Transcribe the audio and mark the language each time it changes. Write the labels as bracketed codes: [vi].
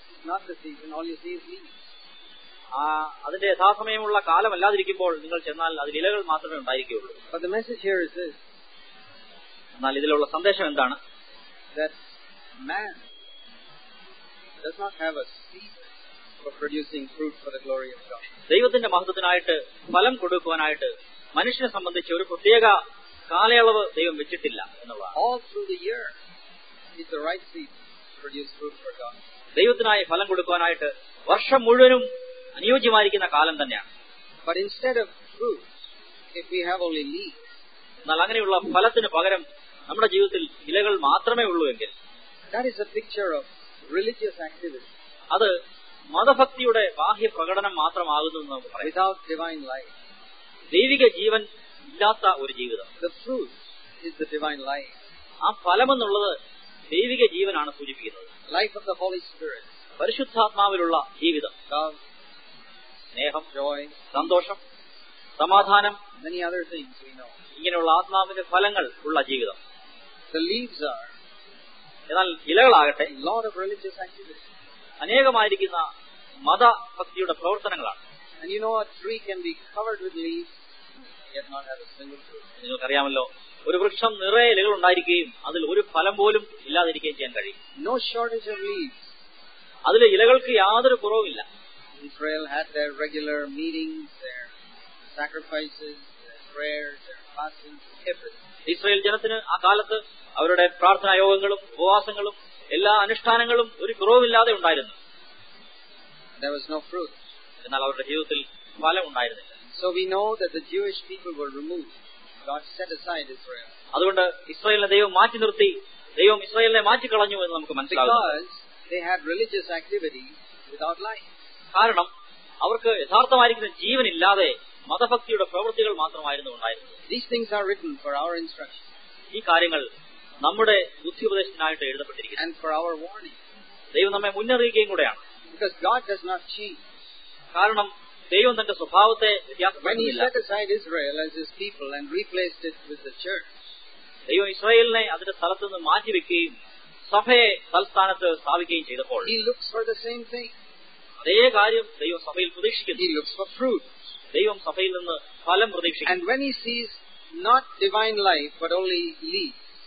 [en] Not the season, all you see is leaves. [ml] അതിന്റെ യഥാസമയമുള്ള കാലമല്ലാതിരിക്കുമ്പോൾ നിങ്ങൾ ചെന്നാൽ അതിൽ ഇലകൾ മാത്രമേ ഉണ്ടായിരിക്കുള്ളൂ. [en] But the message here is this. [ml] എന്നാൽ ഇതിലുള്ള സന്ദേശം എന്താണ്? [en] That man does not have a season for producing fruit for the glory of God. [ml] ദൈവത്തിന്റെ മഹത്വത്തിനായിട്ട് ഫലം കൊടുക്കുവാനായിട്ട് മനുഷ്യനെ സംബന്ധിച്ച് ഒരു പ്രത്യേക കാലയളവ് ദൈവം വെച്ചിട്ടില്ല എന്നുള്ളതാണ്. [en] All through the year is the right season to produce fruit for God. [ml] ദൈവത്തിനായി ഫലം കൊടുക്കുവാനായിട്ട് വർഷം മുഴുവനും അനുയോജ്യമായിരിക്കുന്ന കാലം തന്നെയാണ്. [en] But instead of fruit, if we have only leaves, [ml] എന്നാൽ അങ്ങനെയുള്ള ഫലത്തിന് പകരം നമ്മുടെ ജീവിതത്തിൽ ഇലകൾ മാത്രമേ ഉള്ളൂ എങ്കിൽ, [en] that is a picture of religious activity. [ml] അത് മതഭക്തിയുടെ ബാഹ്യ പ്രകടനം മാത്രമാകുന്നു എന്ന് നമുക്ക് പറയാം. [en] Without divine life, [ml] ദൈവിക ജീവൻ ഇല്ലാത്ത ഒരു ജീവിതം. [en] The fruit is the divine life. [ml] ആ ഫലമെന്നുള്ളത് ദൈവിക ജീവനാണ് സൂചിപ്പിക്കുന്നത്. [en] Life of the Holy Spirit. [ml] പരിശുദ്ധാത്മാവിലുള്ള ജീവിതം. [en] Love, [ml] സ്നേഹം, [en] joy, [ml] സന്തോഷം, സമാധാനം, [en] many other things we know. [ml] ഇങ്ങനെയുള്ള ആത്മാവിന്റെ ഫലങ്ങൾ ഉള്ള ജീവിതം. [en] The leaves are. [ml] എന്നാൽ ഇലകളാകട്ടെ, [en] lot of religious activities. [ml] അനേകമായിരിക്കുന്ന മതഭക്തിയുടെ പ്രവർത്തനങ്ങളാണ്. [en] And you know, a tree can be covered with leaves yet not have a single fruit. [ml] നിങ്ങൾക്കറിയാമല്ലോ, ഒരു വൃക്ഷം നിറയെ ഇലകൾ ഉണ്ടായിരിക്കുകയും അതിൽ ഒരു ഫലം പോലും ഇല്ലാതിരിക്കുകയും ചെയ്യാൻ കഴിയും. [en] No shortage of leaves. [ml] അതിൽ ഇലകൾക്ക് യാതൊരു കുറവില്ല. [en] Israel had their regular meetings, their sacrifices, their prayers, their fasting, everything. [ml] Israel ജനത്തിന് ആ കാലത്ത് അവരുടെ പ്രാർത്ഥനാ യോഗങ്ങളും ഉപവാസങ്ങളും എല്ലാ അനുഷ്ഠാനങ്ങളും ഒരു കുറവില്ലാതെ ഉണ്ടായിരുന്നു. [en] there was no fruit. [ml] എന്നാൽ അവരുടെ ജീവിതത്തിൽ ഫലം ഉണ്ടായിരുന്നില്ല. [en] So we know that the Jewish people were removed. God set aside Israel. [ml] അതുകൊണ്ട് ഇസ്രായേലിനെ ദൈവം മാറ്റി നിർത്തി, ദൈവം ഇസ്രായേലിനെ മാറ്റി കളഞ്ഞു എന്ന് നമുക്ക് മനസ്സിലാകുന്നു. [en] Because they had religious activity without life. [ml] കാരണം അവർക്ക് യഥാർത്ഥമായിരിക്കുന്ന ജീവൻ ഇല്ലാതെ മതഭക്തിയുടെ പ്രവൃത്തികൾ മാത്രമായിരുന്നു ഉണ്ടായിരുന്നത്. [en] These things are written for our instruction. [ml] ഈ കാര്യങ്ങൾ നമ്മുടെ ബുദ്ധി ഉപദേശത്തിനായിട്ട് എഴുതപ്പെട്ടിരിക്കുന്നു. [en] And for our warning. [ml] ദൈവം നമ്മെ മുന്നറിയിക്കുകയും കൂടെയാണ്. [en] Because God does not change. [ml] കാരണം ദൈവം തന്റെ സ്വഭാവത്തെ വ്യത്യാസപ്പെടുത്തുന്നില്ല. [en] When he set aside Israel as his people and replaced it with the church. [ml] ദൈവം ഇസ്രായേലിനെ അതിന്റെ സ്ഥലത്തു നിന്ന് മാറ്റി വെക്കുകയും സഭയെ തൽസ്ഥാനത്ത് സ്ഥാപിക്കുകയും ചെയ്തപ്പോൾ [en] he looks for the same thing. [ml] അതേ കാര്യം ദൈവം സഭയിൽ പ്രതീക്ഷിക്കുന്നു. [en] He looks for fruit. [ml] ദൈവം സഭയിൽ നിന്ന് ഫലം പ്രതീക്ഷിക്കുന്നു. [en] And when he sees not divine life but only leaves.